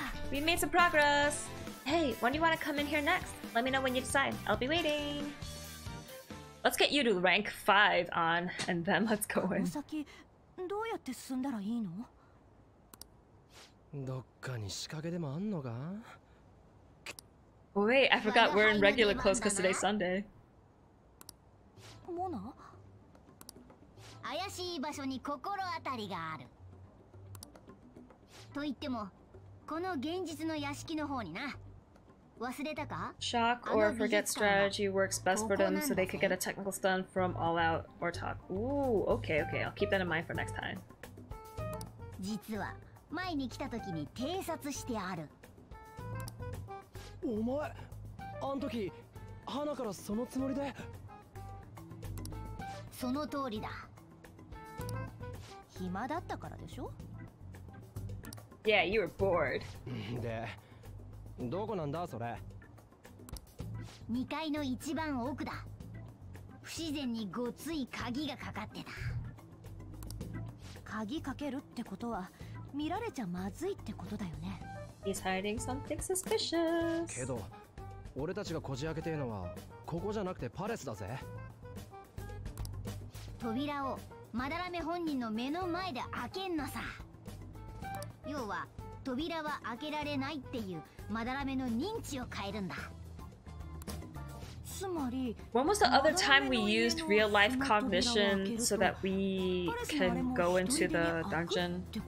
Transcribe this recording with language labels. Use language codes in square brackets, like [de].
[en] We made some progress! Hey, when do you want to come in here next? Let me know when you decide. I'll be waiting. Let's get you to rank 5 on, and then let's go in. How do I move forward? [ja] どっかに仕掛けでもあんのか? [en] Wait, I forgot we're in regular clothes because today's Sunday. [ja] モナ? 怪しい場所に心当たりがある。と言っても、この現実の屋敷の方にな。忘れたか? [en] Shock or forget strategy works best for them so they could get a technical stun from all out or talk. Ooh, okay, okay. I'll keep that in mind for next time. [ja] 実は。前に来た時に偵察してある。お前、あの時、花からそのつもりで。その通りだ。暇だったからでしょ? [en] Yeah, you were bored. [ja] で、どこなんだそれ? 2階の一番奥だ。不自然にごつい鍵がかかってた。鍵かけるってことは、見られちゃまずいってことだよね。 [en] He's hiding something suspicious. [ja] けど、俺たちがこじ開けてるのはここじゃなくてパレスだぜ。扉をマダラメ本人の目の前で開けんなさ。要は扉は開けられないっていうマダラメの認知を変えるんだ。 [en] When was the other time we used real life cognition so that we can go into the dungeon?